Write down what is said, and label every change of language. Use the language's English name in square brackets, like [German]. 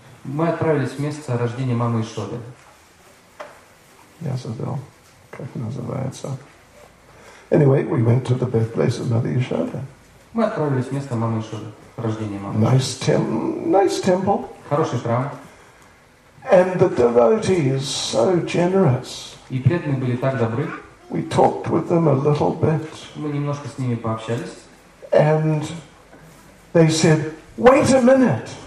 [Russian] Мы отправились в место рождения мамы Яшоды. Yasavel, как называется? [English] Anyway, we went to the birthplace of Mother Yashoda. [Russian] Мы отправились в место мамы Яшоды, рождения мамы. [English] Nice temple. [Russian] Хороший храм. [English] And the devotees so generous. [Russian] И преданные были так добры. [English] We talked with them a little bit. [Russian] Мы немножко с ними пообщались. [English] And they said, "Wait a minute."